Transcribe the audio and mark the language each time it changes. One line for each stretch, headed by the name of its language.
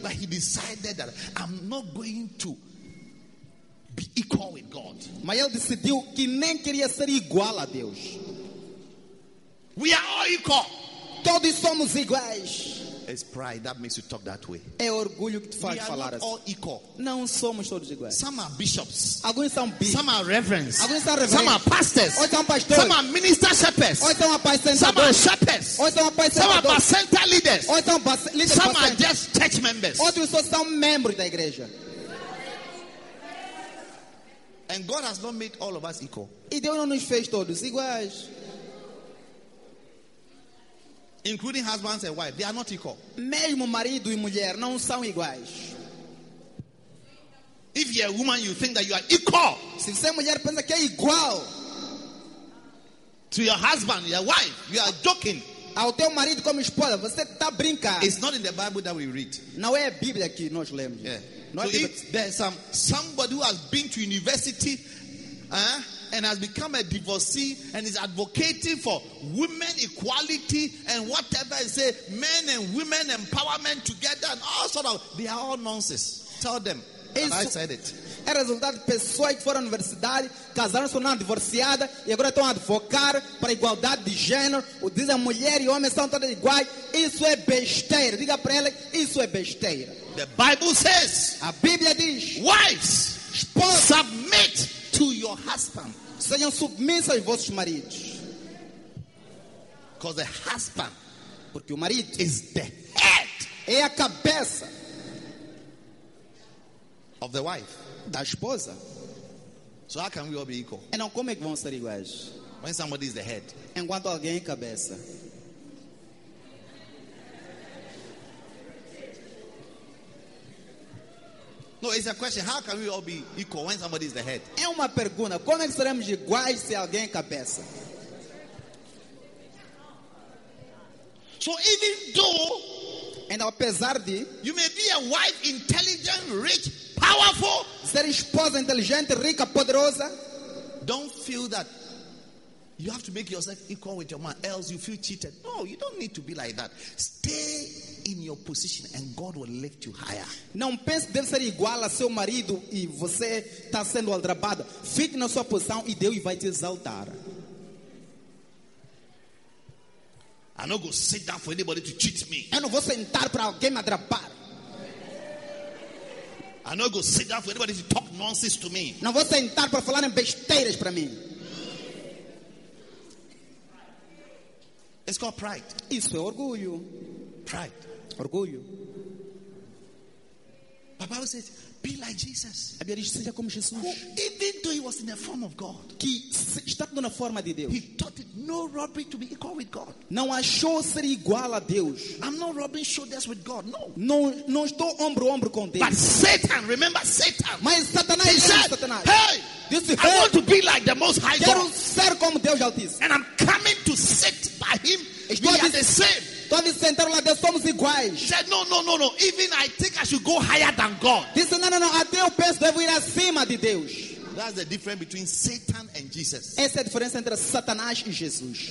English: But he decided that I'm not going to be equal with God.
Portuguese: Mas ele decidiu que nem queria ser igual a Deus.
English: We are all equal.
Portuguese: Todos somos iguais.
English: It's pride that makes you talk that way.
Portuguese: É orgulho que te faz falar assim.
English: All equal.
Portuguese: Não somos todos iguais.
English: Some are bishops.
Portuguese: Alguns são bispos.
English: Some are reverends.
Portuguese: Alguns são reverendos.
English: Some are pastors.
Portuguese: Outros são pastores.
English: Some are minister shepherds.
Portuguese: Outros são apaisentadores.
English: Some are shepherds.
Portuguese: Outros são apaisentadores.
English: Some are pastoral leaders.
Portuguese: Outros são líderes.
English: Some are just church members.
Portuguese: Outros são membros da igreja.
English: And God has not made all of us equal.
Portuguese: E Deus não nos fez todos iguais.
English: Including husbands and wives, they are not equal.
Portuguese: Mesmo marido e mulher não são iguais.
English: If you're a woman, you think that you are equal.
Portuguese: Se você é mulher, pensa que é igual.
English: To your husband, your wife, you are joking.
Portuguese: Ao teu marido como esposa, você está brincando.
English: It's not in the Bible that we read.
Portuguese: Não é a Bíblia que nós lemos.
English: Yeah.
Portuguese: Não
English: so
Portuguese: é a Bíblia.
English: If there's somebody who has been to university, and has become a divorcee and is advocating for women equality and whatever they say, men and women empowerment together and all sort of, they are all nonsense. Tell them that I said it.
Portuguese: É resultado de pessoas que foram à universidade, casaram-se, foram divorciadas e agora estão a advocar para a igualdade de gênero. Dizem mulher e homem são todas iguais. Isso é besteira. Diga para ela, isso é besteira.
English: The Bible says,
Portuguese: a Bíblia diz,
English: wives,
Portuguese: esposa,
English: submit to your husband.
Portuguese: Sejam submissos aos vossos maridos.
English: Because the husband,
Portuguese: porque o marido,
English: is the head,
Portuguese: é a cabeça
English: of the wife,
Portuguese: da esposa.
English: So how can we all be equal?
Portuguese: Então como é que vamos ser iguais?
English: When somebody is the head,
Portuguese: enquanto alguém é cabeça.
English: No, it's a question. How can we all be equal when somebody is the head?
Portuguese: É uma pergunta. Como é que seremos iguais se alguém é cabeça?
English: So even though,
Portuguese: and apesar de,
English: you may be a wife, intelligent, rich, powerful.
Portuguese: Ser esposa inteligente, rica, poderosa.
English: Don't feel that you have to make yourself equal with your man, else you feel cheated. No, you don't need to be like that. Stay in your position and God will lift you higher.
Portuguese: Não pense deve ser igual a seu marido e você está sendo aldrabado. Fique na sua posição e Deus vai te exaltar.
English: I'm not going to sit down for anybody to cheat me.
Portuguese: Eu não vou sentar para alguém me aldrabar.
English: I'm not going to sit down for anybody to talk nonsense to me.
Portuguese: Não vou sentar para falar besteiras para mim.
English: It's called pride.
Portuguese: Isso é orgulho.
English: Pride.
Portuguese: Orgulho.
English: But Bible says, be like Jesus.
Portuguese: A Bíblia diz, seja como Jesus.
English: Who, even though he was in the form of God,
Portuguese: que estando na forma de Deus,
English: he thought it no robbery to be equal with God.
Portuguese: Não achou ser igual a Deus.
English: I'm not rubbing shoulders with God. No.
Portuguese: Não estou ombro a ombro com Deus.
English: But Satan, remember Satan.
Portuguese: Mas Satanás,
English: he said,
Portuguese: Satanás.
English: Hey, this is I want to be like the Most High
Portuguese: Quero
English: God.
Portuguese: Quero ser como Deus Altíssimo.
English: And I'm coming to sit by him.
Portuguese: Estou
English: we are the same.
Portuguese: Todos sentaram lá, Deus, somos iguais.
English: He said, no. Even I think I should go higher than God.
Portuguese: Disse, não. Até eu penso devo ir acima de Deus.
English: That's the difference between Satan and Jesus.
Portuguese: Essa é a diferença entre Satanás e Jesus.